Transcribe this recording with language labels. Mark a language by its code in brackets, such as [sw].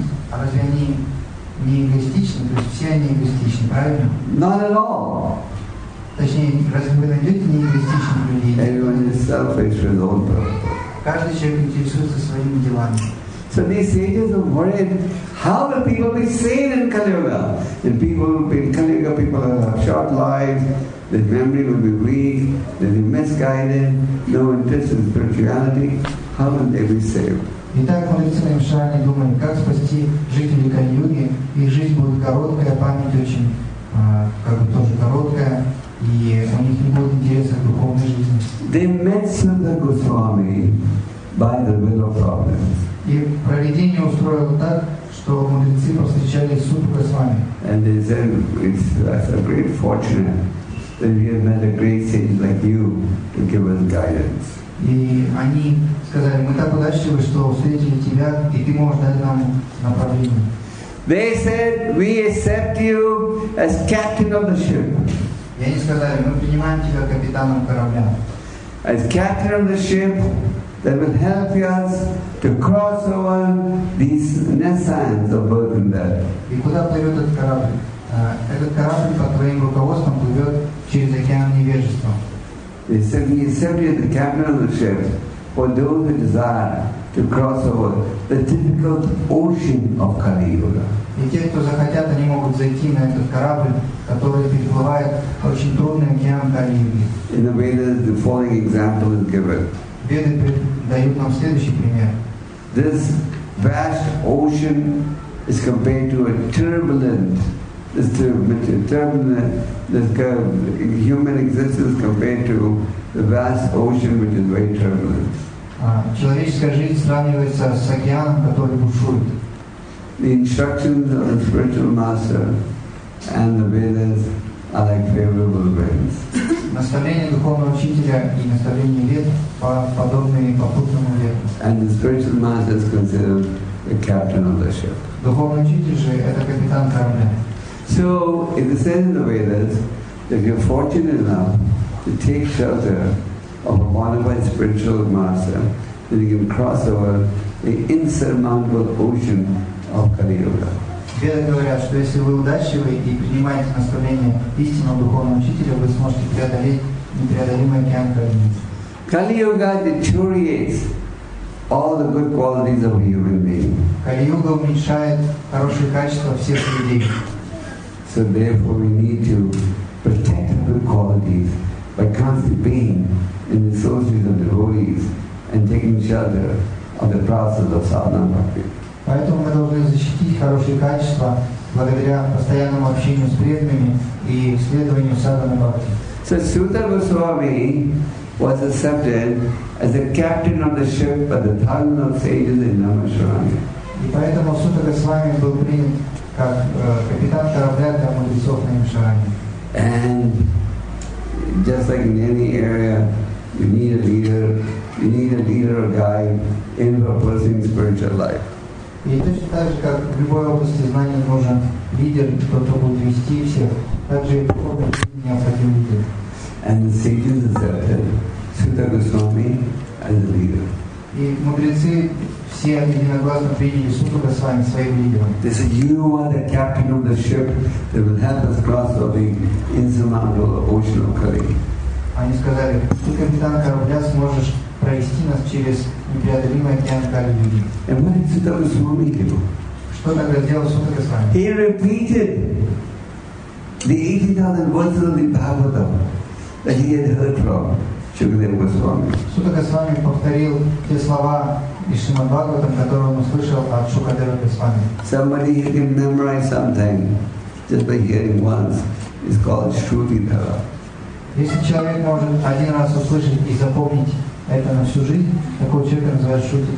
[ru] Разве они не эгоистичны? То есть все они эгоистичны, правильно? [en] Not at all. [ru] Точнее, разве вы найдете не эгоистичных людей? [en] Everyone is selfish with own purpose. [ru] Каждый человек интересуется своими делами. [en] So these sages are worried, how will people be sane in Kali Yuga? And people in Kali Yuga, people have short lives, their memory will be weak, they'll be misguided, no interest in spirituality. How will they be saved? [ru] Итак, мудрецы Намишаране думали, как спасти жителей Кали-Юги, их жизнь будет короткая, память очень тоже короткая, и у них не будет интереса к духовной жизни. [en] They met Sundar Goswami by the will of Providence. [ru] И провидение устроило так, что мудрецы повстречали Сундар Госвами. [en] And they said, it's a great fortune that we have met a great saint like you to give us guidance. [ru] И они сказали, мы так удачливы, что встретили тебя, и ты можешь дать нам направление. [en] They said, we accept you as captain of the ship. [ru] И они сказали, мы принимаем тебя капитаном корабля. [en] As captain of the ship that will help us to cross over these nesands of birth and death. [ru] И куда плывет этот корабль? Этот корабль под твоим руководством плывет через океан невежества. [en] They said, we accept you as the captain of the ship for those who desire to cross over the difficult ocean of Kali Yuga. [ru] И те, кто захотят, они могут зайти на этот корабль, который переплывает очень трудный океан Кали Юги. [en] In the Vedas, the following example is given. [ru] Веды дают нам следующий пример. [en] This vast ocean is compared to a turbulent. This human existence compared to the vast ocean, which is very turbulent. [ru] Человеческая жизнь сравнивается с океаном, который бушует. [en] The instructions of the spiritual master and the Vedas are like favorable winds. [ru] Наставления духовного учителя и наставления вед подобны попутному ветру. [en] And the spiritual master is considered the captain of the ship. [ru] Духовный учитель же это капитан корабля. [en] So it says in the Vedas that if you're fortunate enough to take shelter of a bona fide spiritual master, then you can cross over the insurmountable ocean of Kali Yuga. [ru] Веды говорят, что если вы удачливы и принимаете наставление истинного духовного учителя, вы сможете преодолеть непреодолимый океан Кали Юги. [en] Kali Yuga deteriorates all the good qualities of a human being. [ru] Kali Yuga уменьшает хорошие качества всех людей. [en] So therefore we need to protect the good qualities by constantly being in the associates of devotees and taking shelter of the process of sadhana bhakti. [ru] Поэтому мы должны защитить хорошие качества благодаря постоянному общению с преданными и следованию садхана бхакти. [en] So Sudha Goswami was accepted as the captain of the ship by the thousands of sages in Namasharanya. [ru] И поэтому Sudha Goswami был принят как капитан корабля для мудрецов Намашарани. [en] And just like in any area, you need a leader. You need a leader or guide in your personal spiritual life. [ru] И точно так же, как в любой области знания нужен лидер, кто-то будет вести всех, так же и духовный лидер необходим лидер. [en] And the sages accepted Sudha Goswami as a leader. [ru] И мудрецы все единогласно приняли Сутху Госвами своим лидером. [en] They said, you are the captain of the ship that will help us cross the insurmountable ocean of Kali. [ru] Они сказали, ты капитан корабля сможешь провести нас через непреодолимое океан Кали Юги. [en] And what did Sutta Goswami do? [ru] Что тогда сделал Сутху Госвами? [en] He repeated the 80,000 verses of the Bhagavatam that he had heard from Shukadeva Goswami. [ru] Sutta Goswami повторил те слова из Шримад-Бхагаватам, которые он услышал от Шукадева Госвами. [en] Somebody who can memorize something just by hearing once is called Shruti Dhara. [ru] Если человек может один раз услышать и запомнить это на всю жизнь, такого человека называют Шрути